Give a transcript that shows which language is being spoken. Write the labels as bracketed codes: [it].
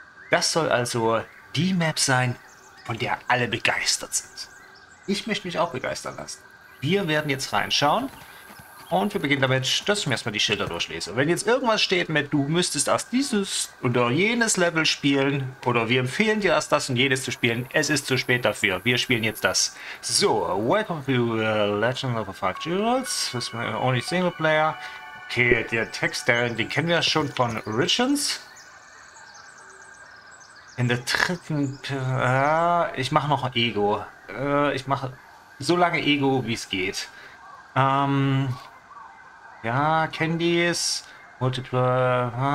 [de] Das soll also die Map sein, von der alle begeistert sind. Ich möchte mich auch begeistern lassen. Wir werden jetzt reinschauen und wir beginnen damit, dass ich mir erstmal die Schilder durchlese. Wenn jetzt irgendwas steht mit, du müsstest erst dieses oder jenes Level spielen oder wir empfehlen dir erst das und jenes zu spielen, es ist zu spät dafür. Wir spielen jetzt das. [en] So, welcome to the Legend of the Five Jewels. This is only single player. [de] Okay, der Text, den kennen wir schon von Origins. In der dritten... ich mache noch Ego. Ich mache so lange Ego, wie es geht. Ja, Candies, Multiple...